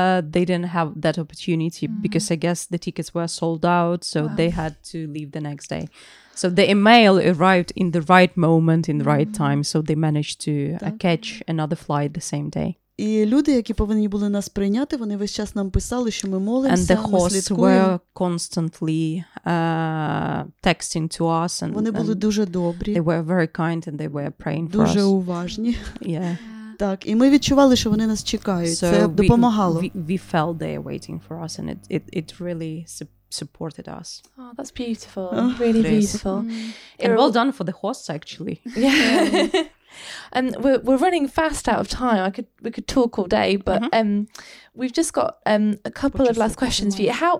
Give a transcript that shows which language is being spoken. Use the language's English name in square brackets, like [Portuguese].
[English] they didn't have that opportunity because I guess the tickets were sold out, so they had to leave the next day. So the email arrived in the right moment, in the right time, so they managed to catch another flight the same day. [Ukrainian] І люди, які повинні були нас прийняти, вони весь час нам писали, що ми молимося, ми [English] And the hosts were constantly texting to us. [Ukrainian] вони були дуже добрі. [English] They were very kind and they were praying for [Ukrainian] дуже [English] us. [Ukrainian] Дуже уважні. [English] Yeah. [Ukrainian] Так, і ми відчували, що вони нас чекають. [English] So [Ukrainian] це допомагало. [English] We felt they are waiting for us, and it really supported us. Oh, that's beautiful. Oh, really beautiful. And well done for the hosts, actually. Yeah. And we're running fast out of time. We could talk all day, but we've just got a couple of last questions for you.